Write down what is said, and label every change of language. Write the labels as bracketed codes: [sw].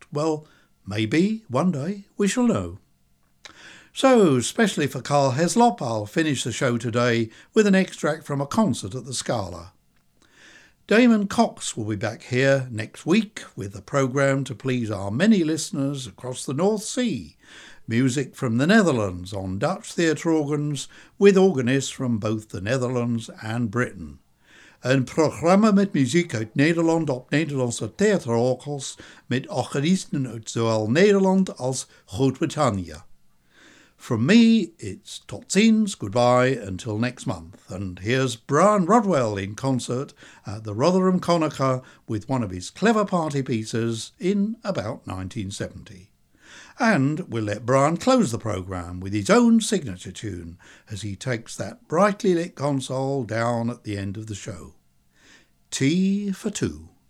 [en] Well, maybe one day we shall know. So, specially for Carl Heslop, I'll finish the show today with an extract from a concert at the Scala. Damon Cox will be back here next week with a programme to please our many listeners across the North Sea. Music from the Netherlands on Dutch theatre organs with organists from both the Netherlands and Britain. [nl] Een programma met muziek uit Nederland op Nederlandse theaterorgels met organisten uit zowel Nederland als Groot-Brittannië. [en] From me, it's [nl] tot ziens, [en] goodbye, until next month. And here's Brian Rodwell in concert at the Rotherham Conacher with one of his clever party pieces in about 1970. And we'll let Brian close the programme with his own signature tune as he takes that brightly lit console down at the end of the show. Tea for two.